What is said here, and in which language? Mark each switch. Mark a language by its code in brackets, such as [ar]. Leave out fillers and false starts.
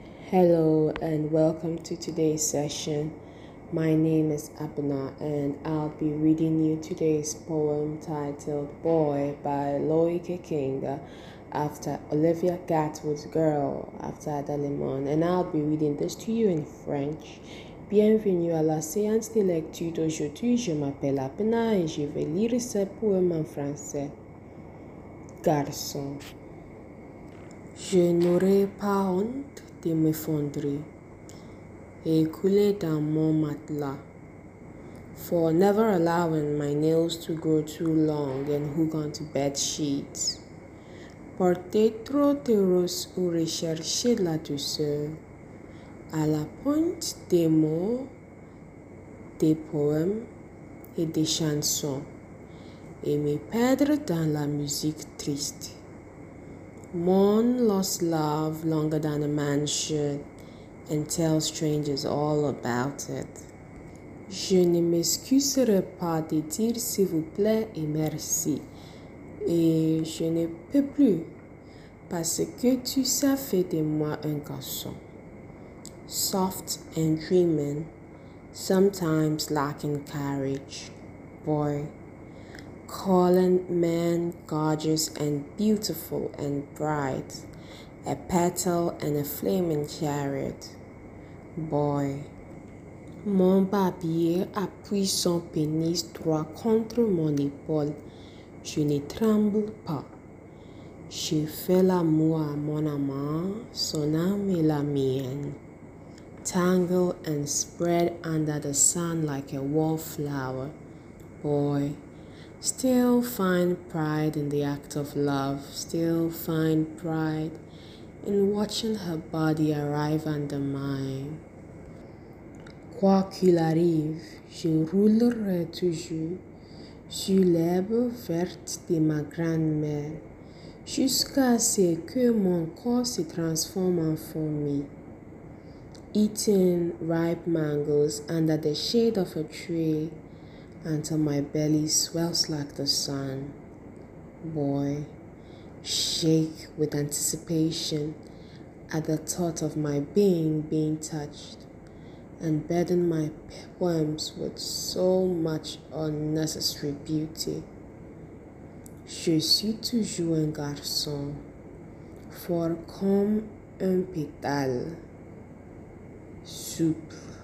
[en] Hello and welcome to today's session. My name is Abuna and I'll be reading you today's poem titled Boy by Loic Kinga after Olivia Gatwood's Girl after Ada Limon. And I'll be reading this to you in French. [fr] Bienvenue à la séance de lecture d'aujourd'hui. Je m'appelle Abuna et je vais lire ce poème en français. Garçon. Je n'aurai pas honte de m'effondrer et couler dans mon matelas [en] for never allowing my nails to grow too long and hook onto bed sheets. [fr] Porter trop de roses ou rechercher la douceur à la pointe des mots, des poèmes et des chansons et me perdre dans la musique triste. [en] Mourn lost love longer than a man should and tell strangers all about it. [fr] Je ne m'excuserai pas de dire s'il vous plaît et merci. Et je ne peux plus parce que tu sais faire de moi un garçon. [en] Soft and dreaming, sometimes lacking courage. Boy. Calling men gorgeous and beautiful and bright, a petal and a flaming chariot. Boy. [fr] Mon barbier appuie son pénis droit contre mon épaule. Je ne tremble pas. Je fais l'amour à mon amant, son âme et la mienne. [en] Tangle and spread under the sun like a wallflower. Boy. Still find pride in the act of love, still find pride in watching her body arrive under mine. [fr] Quoi qu'il arrive, je roulerai toujours sur l'herbe verte de ma grand-mère jusqu'à ce que mon corps se transforme en fourmi. [en] Eating ripe mangoes under the shade of a tree until my belly swells like the sun. Boy, shake with anticipation at the thought of my being touched and burden my poems with so much unnecessary beauty. [fr] Je suis toujours un garçon, fort comme un pétale, souple.